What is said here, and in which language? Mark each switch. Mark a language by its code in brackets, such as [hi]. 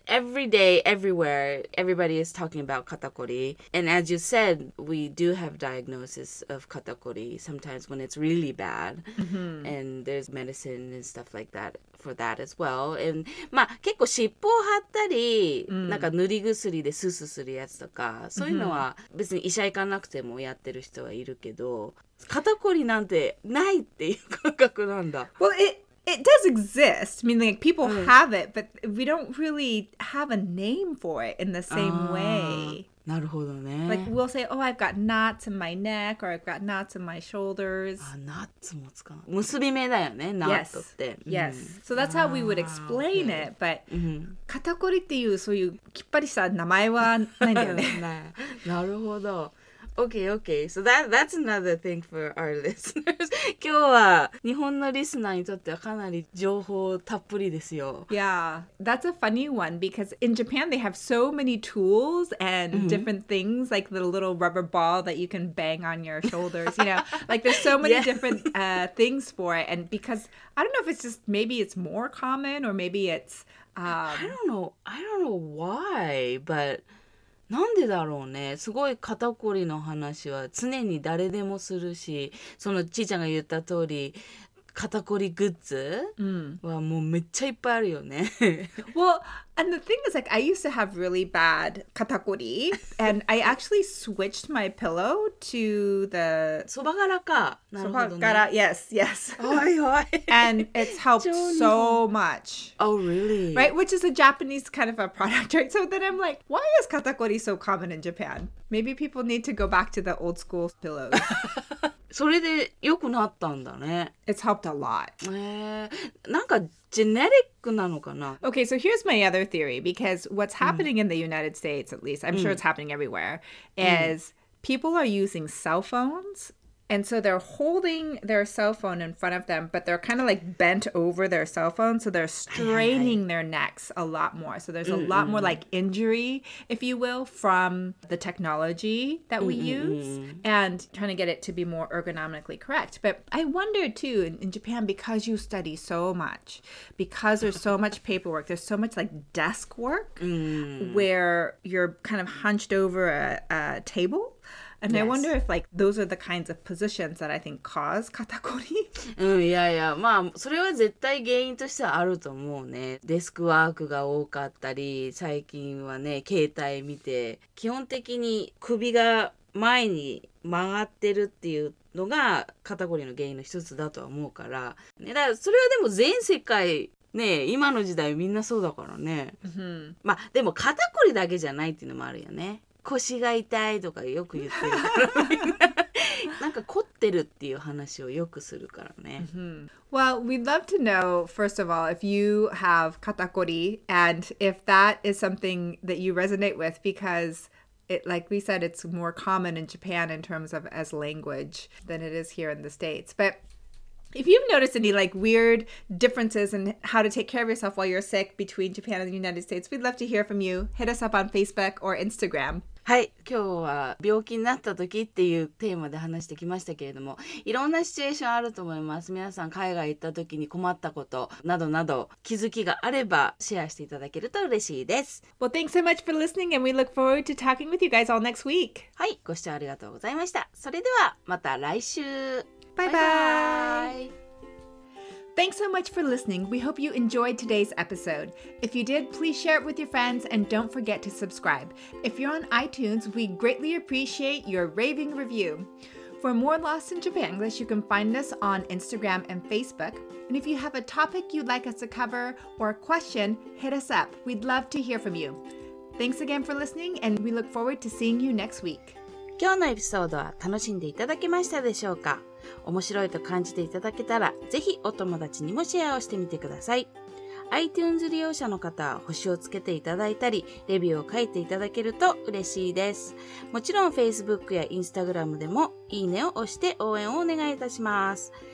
[en] Every day, everywhere, everybody is talking about 肩こり. And as you said, we do have diagnosis of 肩こり sometimes when it's really bad. And there's medicine and stuff like that for that as well. [ja] And まあ結構尻尾を張ったり、なんか塗り薬でススするやつとか、そういうのは別に医者行かなくてもやってる人はいるけど。肩こりなんてないっていう感覚なんだ。 [en] Well, it does exist. I mean, like, people have it, but we don't really have a name for it in the same way. [ja] なるほどね。 [en] Like, we'll say, oh, I've got knots in my neck, or I've got knots in my shoulders. [ja] あ、knots も使う。結び目だよね、knots って。 [en] Yes. So that's how we would explain it, but [ja] 肩こりっていうそういうきっぱりした名前はないんだよね。 [en] なるほど。Okay, okay. So that's another thing for our listeners. [ja] 今日は日本のリスナーにとってはかなり情報たっぷりですよ。 [en] Yeah, that's a funny one because in Japan they have so many tools and different things like the little rubber ball that you can bang on your shoulders, you know. Like there's so many different things for it. And because I don't know if it's just maybe it's more common or maybe it's... I don't know why, but... [ja] なんでだろうね。すごい肩こりの話は常に誰でもするし、そのちーちゃんが言った通り、肩こりグッズはもうめっちゃいっぱいあるよね。 [en] Well, and the thing is, like, I used to have really bad 肩こり and I actually switched my pillow to the... [ja] そば柄か。なるほどね。そば柄、yes, yes. はいはい。 [en] And it's helped so much. Oh, really? Right, which is a Japanese kind of a product, right? So then I'm like, why is 肩こり so common in Japan? Maybe people need to go back to the old school pillows. [ja] それで良くなったんだね。 [en] It's helped a lot. [ja] なんかジェネリックなのかな? [en] Okay, so here's my other theory, because what's happening in the United States, at least, I'm sure it's happening everywhere, is people are using cell phones. And so they're holding their cell phone in front of them, but they're kind of like bent over their cell phone. So they're straining their necks a lot more. So there's a lot more like injury, if you will, from the technology that we use and trying to get it to be more ergonomically correct. But I wonder too, in Japan, because you study so much, because there's so much paperwork, there's so much like desk work where you're kind of hunched over a table. And yes. I wonder if, like, those are the kinds of positions that I think cause katakori. [ja] まあ、それは絶対原因としてはあると思うね。デスクワークが多かったり、最近はね、携帯見て、基本的に首が前に曲がってるっていうのが肩こりの原因の一つだとは思うから。ね、だからそれはでも全世界、ね、今の時代みんなそうだからね。まあ、でも肩こりだけじゃないっていうのもあるよね。腰が痛いとかよく言ってるからなんか凝ってるっていう話をよくするからね。 [en] Well, we'd love to know, first of all, if you have katakori and if that is something that you resonate with, because it, like we said, it's more common in Japan in terms of as language than it is here in the States. But if you've noticed any like weird differences in how to take care of yourself while you're sick between Japan and the United States, we'd love to hear from you. Hit us up on Facebook or Instagram. [ja] はい、今日は病気になった時っていうテーマで話してきましたけれども、いろんなシチュエーションあると思います。皆さん海外行った時に困ったことなどなど気づきがあればシェアしていただけると嬉しいです。 [en] Well, thanks so much for listening and we look forward to talking with you guys all next week. [ja] はい、ご視聴ありがとうございました。それではまた来週。 [en] バイバイ。Thanks so much for listening. We hope you enjoyed today's episode. If you did, please share it with your friends and don't forget to subscribe. If you're on iTunes, we greatly appreciate your raving review. For more Lost in Japan English, you can find us on Instagram and Facebook. And if you have a topic you'd like us to cover or a question, hit us up. We'd love to hear from you. Thanks again for listening and we look forward to seeing you next week. [ja] 今日のエピソードは楽しんでいただけましたでしょうか?面白いと感じていただけたら、ぜひお友達にもシェアをしてみてください。 iTunes 利用者の方は星をつけていただいたり、レビューを書いていただけると嬉しいです。もちろん Facebook や Instagram でもいいねを押して応援をお願いいたします。